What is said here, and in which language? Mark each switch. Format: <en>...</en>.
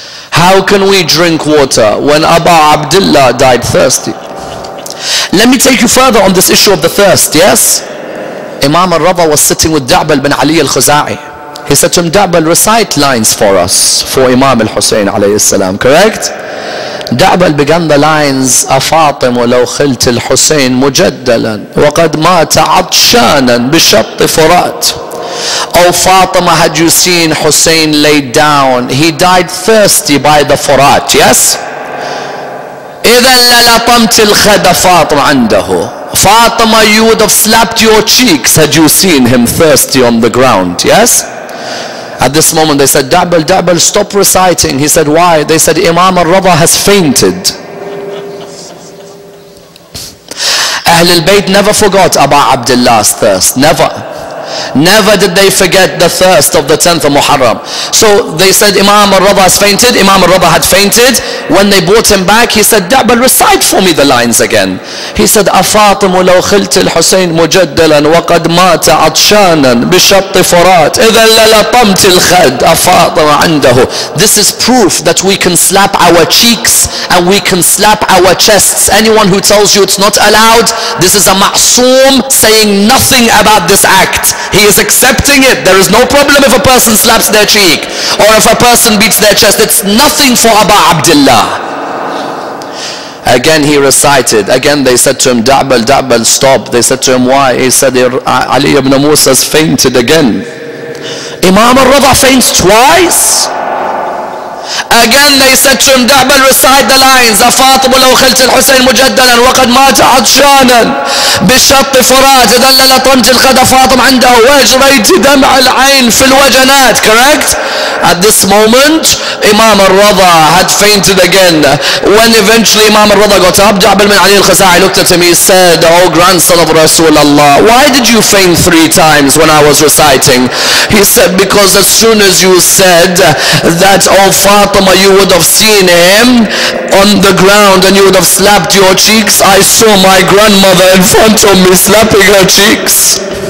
<en>How can we drink water when Aba Abdullah died thirsty? Let me take you further on this issue of the thirst, yes? Imam al-Rada was sitting with Da'bal bin Ali al-Khuza'i. He said to him, Da'bal, recite lines for us, for Imam al-Husayn alayhi salam, correct? Da'bal began the lines,</en> <ar>أفاطم ولو خلت الحسين مجدلا وقد مات عطشانا بشط فرات.</ar> <en>Oh Fatima, had you seen Hussein laid down? He died thirsty by the Furat, yes?</en> <ar>إذن للطمت الخد فاطمة عنده.</ar> <en>Fatima, you would have slapped your cheeks had you seen him thirsty on the ground, yes? At this moment they said, Da'bal, Da'bal, stop reciting. He said, why? They said, Imam al-Rada has fainted. Ahlul Bayt never forgot Aba Abdullah's thirst, never. Never did they forget the thirst of the 10th of Muharram. So they said, Imam al-Rada has fainted. Imam al-Rada had fainted. When they brought him back, he said, Da'bal, recite for me the lines again. He said,</en> <ar>أفاطم لو خلت الحسين مجدلا وقد مات عطشانا بشط فرات إذا للطمت الخد أفاطم عنده.</ar> <en>This is proof that we can slap our cheeks and we can slap our chests. Anyone who tells you it's not allowed, this is a ma'soom saying nothing about this act. He is accepting it. There is no problem if a person slaps their cheek or if a person beats their chest. It's nothing for Aba Abdullah. Again he recited. Again they said to him, Da'bal, Da'bal, stop. They said to him, why? He said, Ali ibn Musa has fainted again. Imam al-Rada faints twice? Again they said to him, Da'bal, recite the lines,</en> <ar>أفاطم لو خلت الحسين مجدلا وقد مات عطشانا بشط فرات إذا للطمت الخد فاطم عنده وأجريت دمع العين في الوجنات, correct?</ar> <en>At this moment Imam al-Rada had fainted again. When eventually Imam al-Rada got up, Da'bal bin Ali al-Khuza'i looked at him, he said, oh grandson of Rasulullah, why did you faint three times when I was reciting? He said, because as soon as you said that, oh Fatima, you would have seen him on the ground and you would have slapped your cheeks, I saw my grandmother in front of me slapping her cheeks.</en>